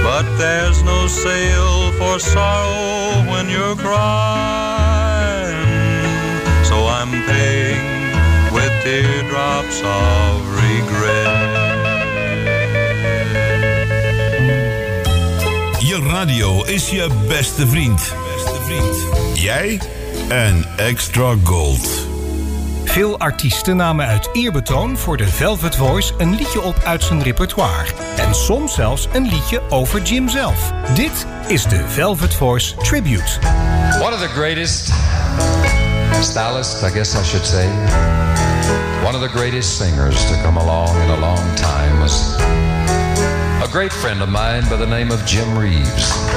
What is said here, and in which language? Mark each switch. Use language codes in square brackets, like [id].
[en] But there's no sale for sorrow when you're crying, so I'm paying with teardrops of regret. Your radio is your best friend. [nl] Jij en Extra Gold. Veel artiesten namen uit eerbetoon voor de Velvet Voice een liedje op uit zijn repertoire. En soms zelfs een liedje over Jim zelf. Dit is de Velvet Voice Tribute. [en] One of the greatest stylists, I guess I should say. One of the greatest singers to come along in a long time was a great friend of mine by the name of Jim Reeves.